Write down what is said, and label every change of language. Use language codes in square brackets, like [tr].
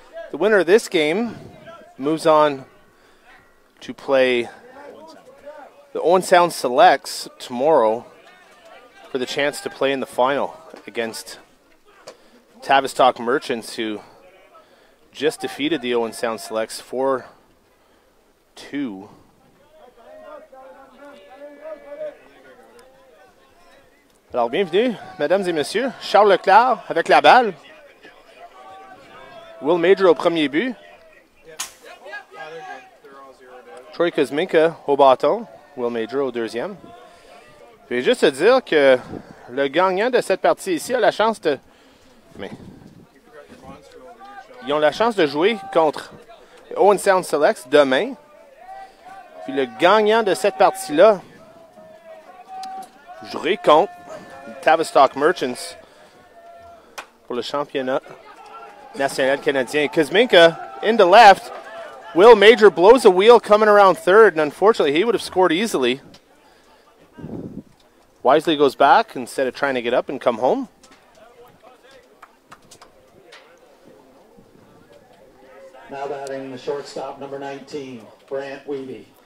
[en] The winner of this game moves on to play the Owen Sound Selects tomorrow for the chance to play in the final against Tavistock Merchants, who just defeated the Owen Sound Selects 4-2. [fr] Alors, bienvenue, mesdames et messieurs, Charles Leclerc avec la balle. Will Major au premier but. Troy Kuzminka au bâton. Will Major au deuxième. Je vais juste te dire que le gagnant de cette partie ici a la chance de... Mais... Ils ont la chance de jouer contre Owen Sound Selects demain. Puis le gagnant de cette partie-là jouerait contre Tavistock Merchants pour le championnat National Canadien. [en] Kuzminka in the left. Will Major blows a wheel coming around third, and unfortunately he would have scored easily. Wisely goes back instead of trying to get up and come home. Now batting the shortstop, number 19, Brant Wiebe.